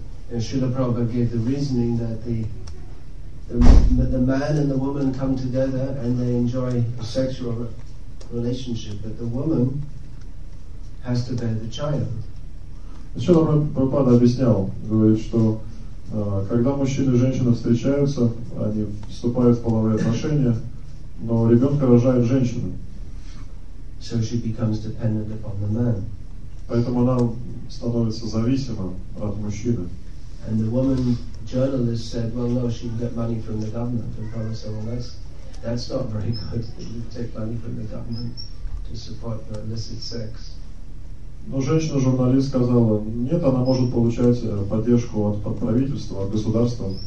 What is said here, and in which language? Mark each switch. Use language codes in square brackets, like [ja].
[en] And Srila Prabhupada gave the reasoning that the man and the woman come together and they enjoy a sexual relationship, but the woman has to bear the child. [ru] Srila Prabhupada объяснял, говорит, что когда мужчина и женщина встречаются, они вступают в половые отношения, но ребенка рожает женщина. [en] So she becomes dependent upon the man. [ru] Поэтому она становится зависима от мужчины. [en] And the woman journalist said, well, no, she can get money from the government. And Prabhupada said, well, that's not very good that you take money from the government to support the illicit sex. [ru] Но женщина-журналист сказала, нет, она может получать поддержку от правительства, от государства.